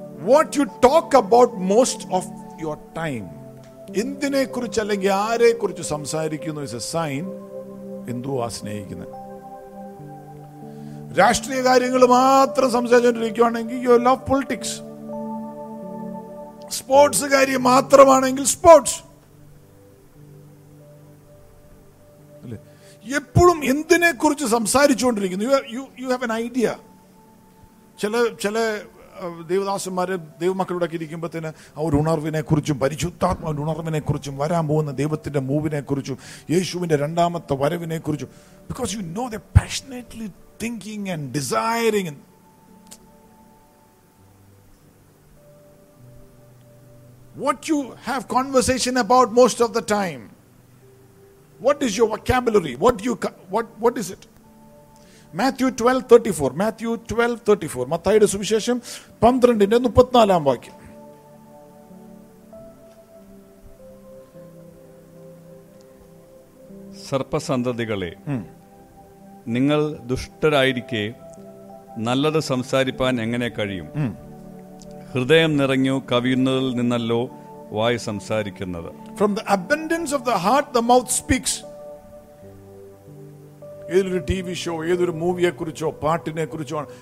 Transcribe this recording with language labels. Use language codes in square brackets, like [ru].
[en] What you talk about most of your time. [ml] എന്തിനെ കുറിച്ച് അല്ലെങ്കിൽ ആരെ കുറിച്ച് സംസാരിക്കുന്നു [en] is a sign. [ml] എന്തോ ആ സ്നേഹിക്കുന്നത്. രാഷ്ട്രീയ കാര്യങ്ങൾ മാത്രം സംസാരിച്ചുകൊണ്ടിരിക്കുകയാണെങ്കിൽ [en] You love politics. [ml] സ്പോർട്സ് കാര്യം മാത്രമാണെങ്കിൽ സ്പോർട്സ്. എപ്പോഴും എന്തിനെ കുറിച്ച് സംസാരിച്ചുകൊണ്ടിരിക്കുന്നു. [en] You have an idea. [ml] ചില ദൈവദാസന്മാര് ദൈവമക്കളുടെ ഒക്കെ ഇരിക്കുമ്പോൾ ആ ഒരു ഉണർവിനെ കുറിച്ചും പരിശുദ്ധാത്മാവ് ഉണർവിനെ കുറിച്ചും വരാൻ പോകുന്ന ദൈവത്തിന്റെ മൂവിനെ കുറിച്ചും യേശുവിന്റെ രണ്ടാമത്തെ വരവിനെ കുറിച്ചും [en] Because you know the passionately thinking and desiring. What you have conversation about most of the time, what is your vocabulary, what is it? [ml] Matthew 12:34 Matthayude suvisesham 12:34 aam vaakyam. Sarpasandadigale, നിങ്ങൾ ദുഷ്ടരായിരിക്കെ നല്ലത് സംസാരിപ്പാൻ എങ്ങനെ കഴിയും? ഹൃദയം നിറഞ്ഞു കവിയുന്നതിൽ നിന്നല്ലോ വായ സംസാരിക്കുന്നത്. [en] From the abundance of the heart, the mouth speaks. [ml] ഏതൊരു TV show, ഏതൊരു മൂവിയെ കുറിച്ചോ പാട്ടിനെ കുറിച്ചോ ആണ്.